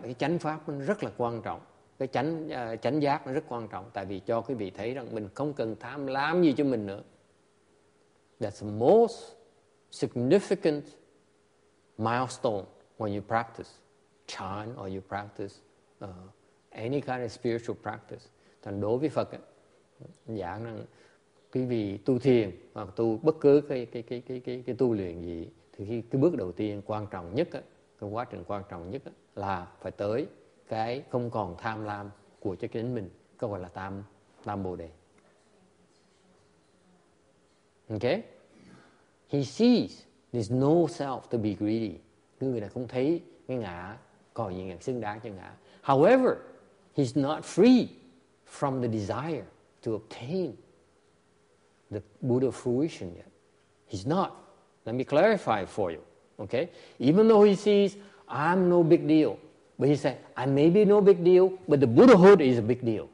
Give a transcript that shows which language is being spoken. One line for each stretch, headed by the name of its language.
Vietnamese: Cái chánh pháp nó rất là quan trọng. Cái chánh chánh giác nó rất quan trọng. Tại vì cho quý vị thấy rằng mình không cần tham lam gì cho mình nữa.
English: That's the most significant milestone when you practice chan or you practice any kind of spiritual practice.
Vietnamese: Thành đối với Phật ấy, giảng rằng quý vị tu thiền hoặc tu bất cứ cái tu luyện gì, thì cái bước đầu tiên quan trọng nhất ấy, cái quá trình quan trọng nhất ấy, là phải tới cái không còn tham lam của cho chính mình, cái gọi là tam bồ đề.
English: Okay? He sees there's no self to be greedy.
Vietnamese: Người này không thấy cái ngã, còn gì ngã xứng đáng cho ngã.
English: However, he's not free from the desire to obtain the Buddha fruition yet. He's not. Let me clarify for you. Okay? Even though he sees I'm no big deal, but he said, I may be no big deal, but the Buddhahood is a big deal.